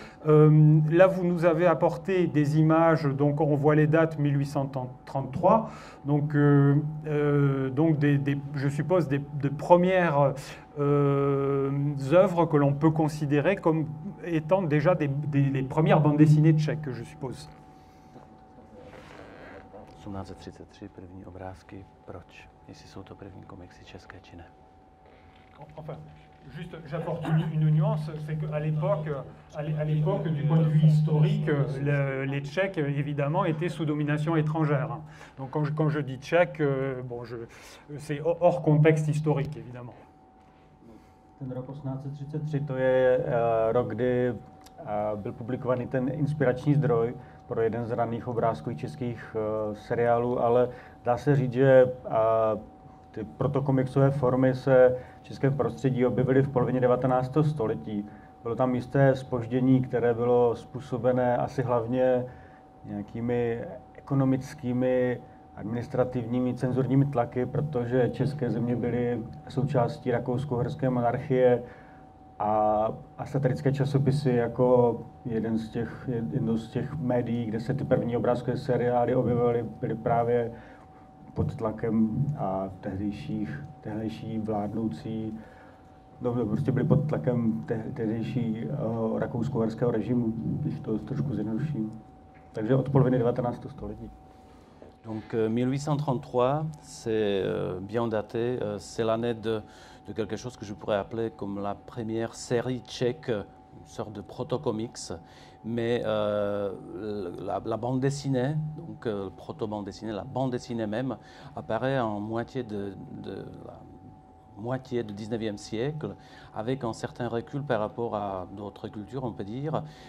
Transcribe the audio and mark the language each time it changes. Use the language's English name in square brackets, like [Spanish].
[French] Là, vous nous avez apporté des images, donc on voit les dates 1833, donc je suppose des premières œuvres que l'on peut considérer comme étant déjà les premières bandes dessinées tchèques, je suppose. [Czech] 1833, první obrázky, proč? Jestli jsou to první komiksy české, či ne? [French] Enfin, juste, j'apporte une nuance, c'est qu'à l'époque, du point de vue historique, les Tchèques, évidemment, étaient sous domination étrangère. Donc, quand je dis Tchèque, bon, c'est hors contexte historique, évidemment. [Czech] Ten rok 1833, to je rok, kdy byl publikovaný ten inspirační zdroj pro jeden z raných obrázků českých seriálů, ale dá se říct, že ty protokomiksové formy se v českém prostředí objevily v polovině 19. století. Bylo tam jisté zpoždění, které bylo způsobené asi hlavně nějakými ekonomickými, administrativními, cenzurními tlaky, protože české země byly součástí rakousko-uherské monarchie a satirické časopisy jako jedno z těch médií, kde se ty první obrázkové seriály objevovaly, byly právě pod tlakem a tehdejší vládnoucí, no prostě byly pod tlakem tehdejší rakousko-uherského režimu, když to trošku zjednoduším. Takže od poloviny 19. století. [French] Donc 1833, c'est bien daté, c'est l'année de quelque chose que je pourrais appeler comme la première série tchèque, une sorte de proto-comics, mais la bande dessinée, donc proto-bande dessinée, la bande dessinée même, apparaît en moitié de 19e siècle, avec un certain recul par rapport à d'autres cultures, on peut dire.